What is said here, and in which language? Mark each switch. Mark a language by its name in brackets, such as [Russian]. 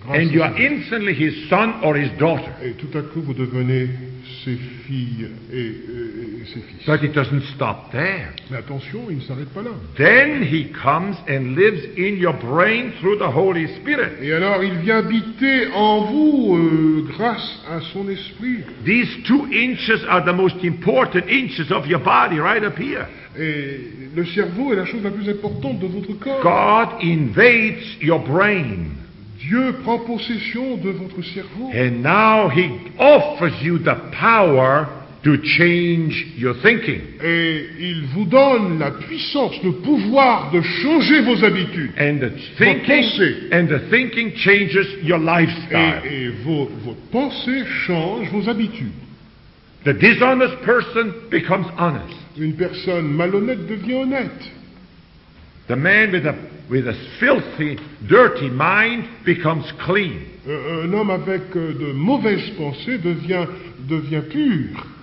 [English] And you are instantly his son or his daughter. [French] Et tout à coup, vous devenez ses filles et ses fils. [English] But it doesn't stop there. [French] Mais attention, il ne s'arrête pas là. [English] Then he comes and lives in your brain through the Holy Spirit. [French] Et alors, il vient habiter en vous grâce à son esprit. [English] These 2 inches are the most important inches of your body right up here. [French] Et le cerveau est la chose la plus importante de votre corps. [English] God invades your brain. [French] Dieu prend possession de votre cerveau. [English] And now he offers you the power to change your thinking. [French] Et il vous donne la puissance, le pouvoir de changer vos habitudes. [English] And the thinking, changes your lifestyle. [French] Et vos pensées changent vos habitudes. [English] The dishonest person becomes honest. [French] Une personne malhonnête devient honnête. [English] The man with a filthy, dirty mind becomes clean. [French] Un homme avec de mauvaises pensées devient pur.